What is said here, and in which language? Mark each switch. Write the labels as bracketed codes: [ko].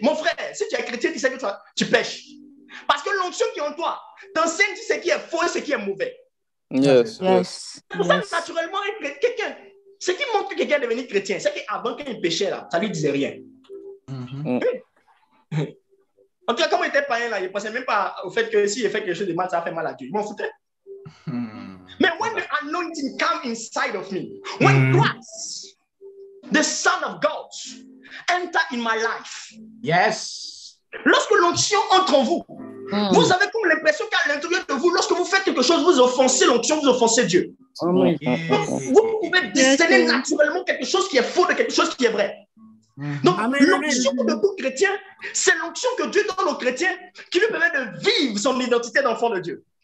[fr] Mon frère, si tu es chrétien, tu sais que tu pêches. Parce que l'onction qui est en toi t'enseigne ce qui est faux et ce qui est mauvais. [en] Yes. [fr] C'est pour ça que naturellement, quelqu'un. Ce qui montre que quelqu'un est devenu chrétien, c'est qu'avant qu'il péchait là, ça ne lui disait rien. En tout cas, comme il était païen là, il ne pensait même pas au fait que s'il fait quelque chose de mal, ça fait mal à Dieu. Il m'en foutait. [en] Mais when the anointing comes inside of me, when Christ, the Son of God, enter in my life. Yes. [fr] Lorsque l'onction entre en vous, vous avez comme l'impression qu'à l'intérieur de vous, lorsque vous faites quelque chose, vous offensez l'onction, vous offensez Dieu. Vous pouvez discerner naturellement quelque chose qui est faux de quelque chose qui est vrai. Donc l'onction de tout chrétien, c'est l'onction que Dieu donne aux chrétiens qui lui permet de vivre son identité d'enfant de Dieu.